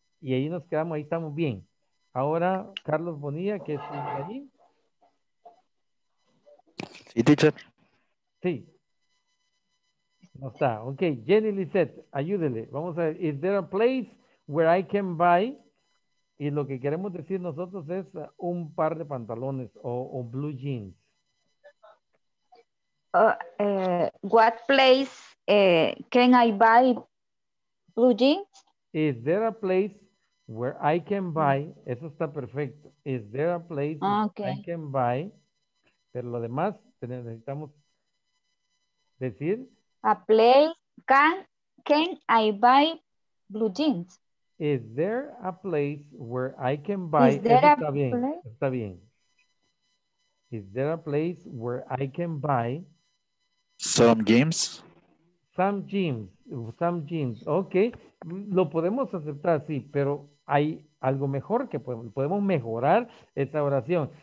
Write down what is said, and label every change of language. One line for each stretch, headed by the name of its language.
Spanish: Y ahí nos quedamos, ahí estamos bien. Ahora, Carlos Bonilla, ¿qué es ahí? Sí, teacher. Sí. No está. Okay, Jenny Lisette, ayúdele. Vamos a ver.
English: Is there a place where I can buy...
Spanish: Y lo que queremos decir nosotros es un par de pantalones o blue jeans.
English: What place can I buy blue jeans? Is there a place where I can buy?
Spanish: Eso está perfecto.
English: Is there a place where I can buy?
Spanish: Pero lo demás necesitamos decir.
English: A place can I buy blue jeans? Is there a place where I can buy?
Spanish: Está bien.
English: Is there a place where I can buy some jeans? Some jeans.
Spanish: Okay, lo podemos aceptar, sí, pero hay algo mejor que podemos mejorar esta oración.